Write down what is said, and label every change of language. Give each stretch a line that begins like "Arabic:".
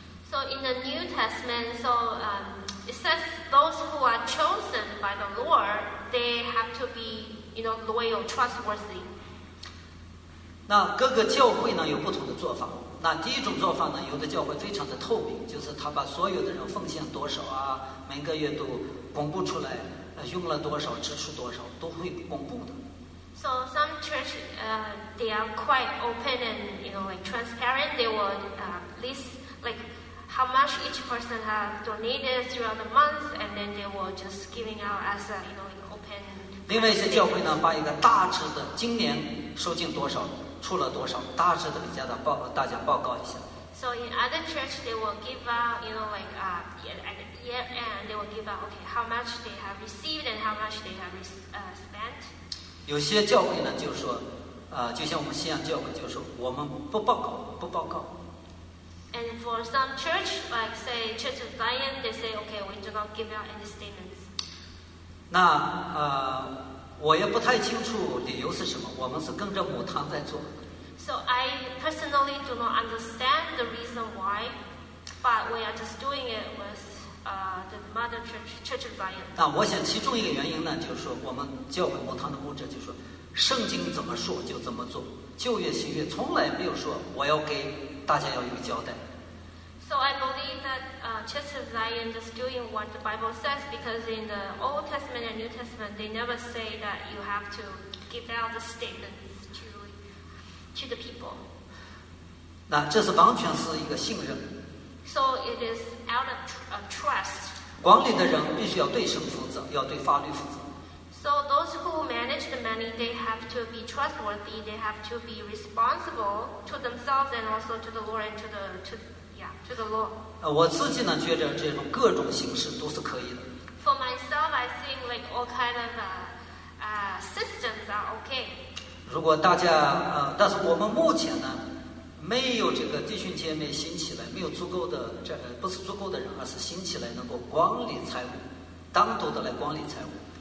English: So in the New Testament, so it says those who are chosen by the Lord, they have to be, you know, loyal, trustworthy.
Chinese: 那各个教会呢有不同的做法。那第一种做法呢，有的教会非常的透明，就是他把所有的人奉献多少啊，每个月都公布出来，用了多少，支出多少，都会公布的。
English: So some church, they are quite open and, you know, like transparent. They will list like how much each person have donated throughout the month, and then they will just giving out as a, you know, like open.
Chinese: 另外一些教会呢，把一个大致的今年收进多少。出了多少？大致的给大家报告一下。
English: So in other church, they will give out, you know, like at year end, they will give out, okay, how much they have received and how much they have spent.
Chinese: 有些教会呢，就说，就像我们信仰教会，就说我们不报告，不报告。
English: And for some church, like say Church of Zion, they say, okay, we do not give out any statements.
Chinese: 那我也不太清楚理由是什么，我们是跟着母堂在做。
English: So I personally do not understand the reason why, but we are just doing it with the mother church, Church of Zion.
Chinese: 那我想其中一个原因呢，就是我们教会母堂的牧者就说，圣经怎么说就怎么做，旧约新约从来没有说我要给大家要有个交代。
English: So I believe that Church of Zion is doing what the Bible says, because in the Old Testament and New Testament they never say that you have to give out the statements to the people.
Chinese: 那这是完全是一个信任。
English: So it is out of trust.
Chinese: 管理的人必须要对神负责，要对法律负责。
English: So those who manage the money, they have to be trustworthy. They have to be responsible to themselves and also to the Lord and to the law.
Chinese: 我自己呢，觉得这种各种形式都是可以的。
English: For myself, I think like all kind of systems are okay.
Chinese: 如果大家但是我们目前呢，没有这个弟兄姐妹兴起来，没有足够的这不是足够的人，而是兴起来能够管理财务，单独的来管理财务。